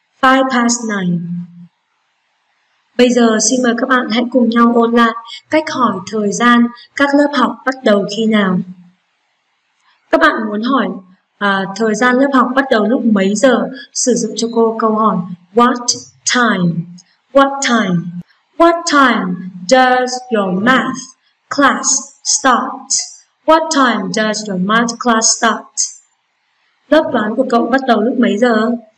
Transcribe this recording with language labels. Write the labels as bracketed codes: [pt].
[vi] 5:09. Bây giờ xin mời các bạn hãy cùng nhau ôn lại cách hỏi thời gian các lớp học bắt đầu khi nào. Các bạn muốn hỏi thời gian lớp học bắt đầu lúc mấy giờ, sử dụng cho cô câu hỏi [en] What time? What time? What time does your math class start? What time does your math class start? [vi] Lớp toán của cậu bắt đầu lúc mấy giờ?